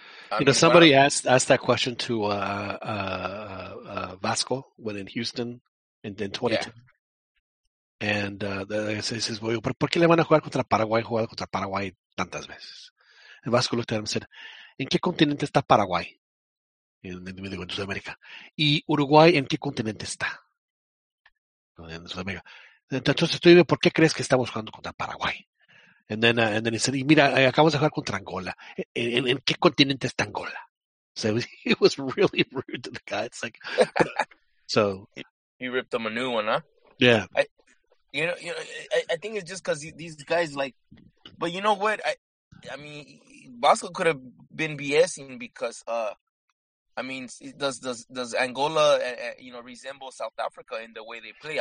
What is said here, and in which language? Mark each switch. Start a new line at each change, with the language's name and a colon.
English: Asked that question to Vasco when in Houston in 2010. Yeah. And he says, well,
Spanish: ¿por qué le van a jugar contra Paraguay? Jugar contra Paraguay tantas veces.
English: And Vasco looked at him and said,
Spanish: ¿en qué continente está Paraguay? En Sudamérica. ¿Y Uruguay en qué continente está? En Sudamérica. Entonces tú dime, ¿por qué crees que estamos jugando contra Paraguay?
English: And then he said,
Spanish: y mira, acabamos de jugar contra Angola. ¿En qué continente está Angola?
English: So he was really rude to the guy. It's like, so. He ripped him a new one, huh? Yeah. I think it's just because these guys like, but you know what? I mean, Vasco could have been BSing because, does Angola, resemble South Africa in the way they play?